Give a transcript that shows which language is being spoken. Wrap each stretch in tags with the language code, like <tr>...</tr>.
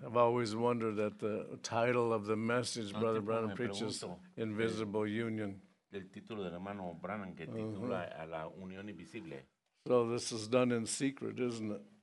<en>I've always wondered that the title of the message no, Brother Branham preaches, Invisible Union.</en> <es>El título del hermano Branham que titula a la unión invisible.</es> <en>So this is done in secret, isn't it?</en>